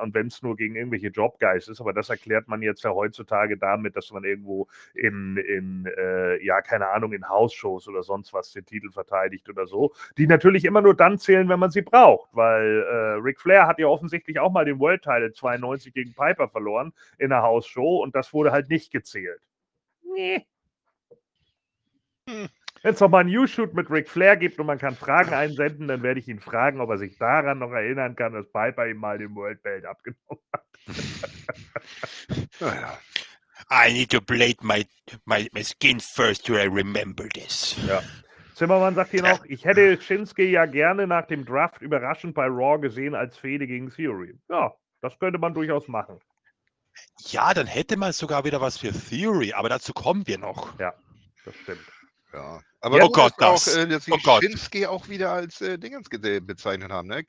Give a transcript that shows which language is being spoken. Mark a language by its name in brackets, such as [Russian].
[German] Und wenn es nur gegen irgendwelche Jobguys ist, aber das erklärt man jetzt ja heutzutage damit, dass man irgendwo in House-Shows oder sonst was den Titel verteidigt oder so, die natürlich immer nur dann zählen, wenn man sie braucht, weil Ric Flair hat ja offensichtlich auch mal den World Title 92 gegen Piper verloren in einer House-Show und das wurde halt nicht gezählt. Nee. Wenn es nochmal einen News-Shoot mit Ric Flair gibt und man kann Fragen einsenden, dann werde ich ihn fragen, ob er sich daran noch erinnern kann, dass Piper ihm mal den World Belt abgenommen hat. [English] I need to blade my skin first, till I remember this. [German] Ja. Zimmermann sagt hier noch, ich hätte Shinsuke ja gerne nach dem Draft überraschend bei Raw gesehen als Fehde gegen Theory. Ja, das könnte man durchaus machen. Ja, dann hätte man sogar wieder was für Theory, aber dazu kommen wir noch. Ja, das stimmt. Ja, aber ja, gut, oh dass wir auch Shinsuke auch wieder als Dingens bezeichnet haben, ne?